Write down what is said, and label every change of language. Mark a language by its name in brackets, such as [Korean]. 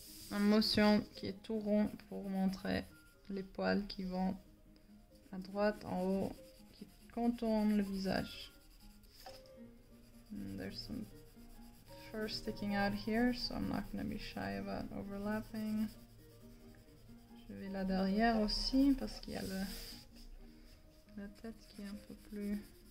[French] Un motion qui est tout rond pour montrer les poils qui vont à droite, en haut, qui contournent le visage. [English] And there's some fur sticking out here, so I'm not going to be shy about overlapping. [French] Je vais là derrière aussi, parce qu'il y a la tête qui est un peu plus...